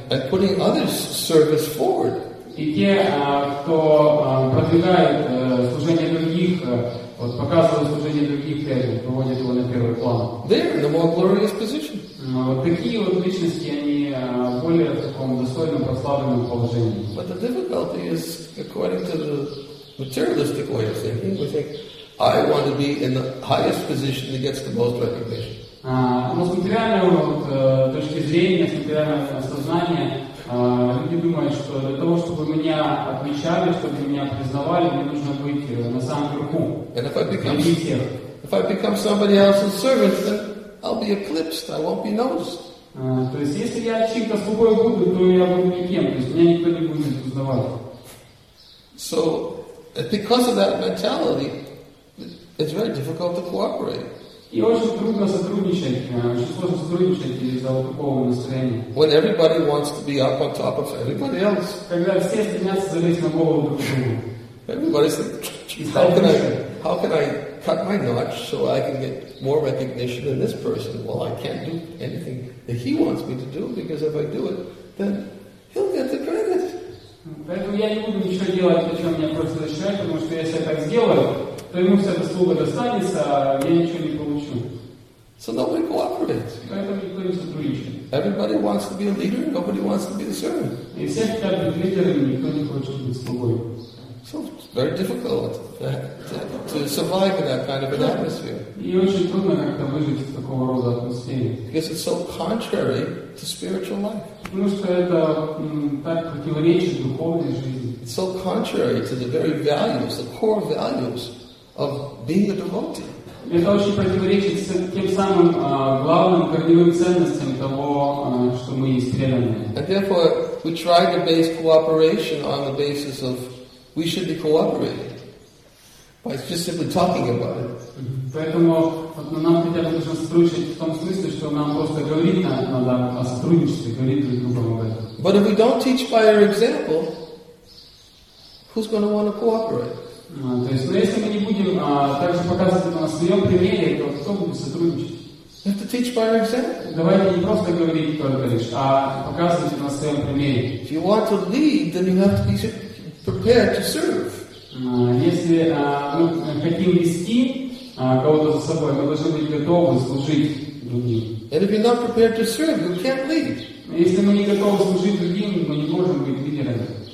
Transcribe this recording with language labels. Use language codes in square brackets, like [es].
[en] and putting others' service forward, [ru] и те, кто продвигает служение других, вот показывает служение других, выводит его на первый план. [en] They're in the more glorious position. [ru] Вот такие вот личности, они более в таком достойном, прославленном положении. [en] But the difficulty is, according to the materialistic way of thinking, we think, I want to be in the highest position that gets the most recognition. [ru] Но с материального точки зрения, с материального сознания, люди думают, что для того, чтобы меня отмечали, чтобы меня признавали, мне нужно быть на самом верху. [en] And if I become somebody else's servant, then I'll be eclipsed, I won't be noticed. [ru] То есть, если я чьим-то слугой буду, то я буду никем, то есть меня никто не будет узнавать. [en] So, because of that mentality, it's very difficult to cooperate. [ru] И очень трудно сотрудничать, очень сложно сотрудничать из-за вот такого настроения. [en] When everybody wants to be up on top of everybody else. [ru] Когда все стремятся залезть на голову друг другу. [en] Everybody says, how can I cut my notch so I can get more recognition than this person? Well, I can't do anything that he wants me to do, because if I do it, then he'll get the credit. [ru] Поэтому я не буду ничего делать, о чем меня просто защищают, потому что если я так сделаю, то ему вся заслуга достанется, а я ничего не получу. [en] So nobody cooperates. [ru] Поэтому никто не сотрудничает. [en] Everybody wants to be a leader, nobody wants to be the servant. [ru] И все хотят быть лидерами, никто не хочет быть слугой. [en] So it's very difficult to survive in that kind of an atmosphere. [ru] И очень трудно как-то выжить в такого рода атмосфере. [en] Because it's so contrary to spiritual life. [ru] Потому что это так противоречит духовной жизни. [en] It's so contrary to the very values, the core values of being a devotee. [ru] Это очень противоречит тем самым главным корневым ценностям того, что мы есть преданные. [en] And therefore, we try to base cooperation on the basis of we should be cooperating by just simply talking about it. [ru] Поэтому нам хотя бы нужно сотрудничать в том смысле, что нам просто говорить надо о сотрудничестве, говорить друг другу об этом. [en] But if we don't teach by our example, who's going to want to cooperate? [ru] То есть, если мы не будем также показывать на своем примере, то кто будет сотрудничать? [en] We have to teach by our example. [ru] Давайте не просто говорить только лишь, а показывать на своем примере. [en] If you want to lead, then you have to be prepare to serve. [ru] Если мы хотим вести кого-то за собой, мы должны быть готовы служить другим. [en] And if you're not prepared to serve, you can't lead. [ru] Если мы не готовы служить другим, мы не можем быть лидерами.